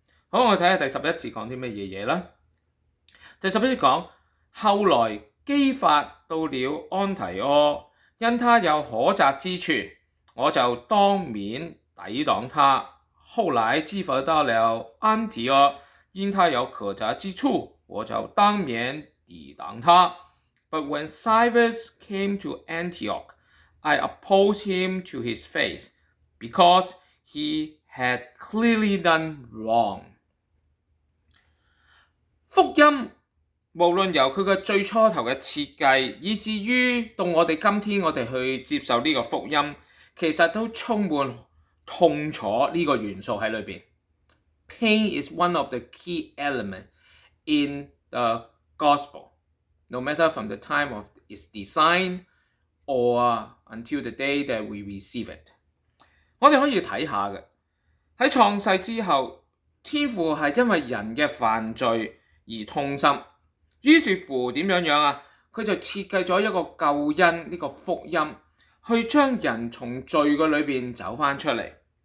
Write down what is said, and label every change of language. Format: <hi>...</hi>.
<zh>好，我们看看第十一节讲什么东西呢。第十一节讲，后来基法到了安提柯，因他有可责之处，我就当面抵挡他。后来基法到了安提柯，因他有可责之处，我就当面抵挡他。</zh> <en>But when Silas came to Antioch,I opposed him to his face, because he had clearly done wrong.</en> <zh>福音无论由他的最初头的设计，以至于到我们今天我们去接受这个福音，其实都充满痛楚这个元素在里面。</zh> <en>Pain is one of the key elements in the gospel, no matter from the time of its design or until the day that we receive it.</en> <zh>我们可以看看的，在创世之后，天父是因为人的犯罪而痛心，于是乎怎样啊，他就设计了一个救恩，这个福音去将人从罪的里面走出来。</zh>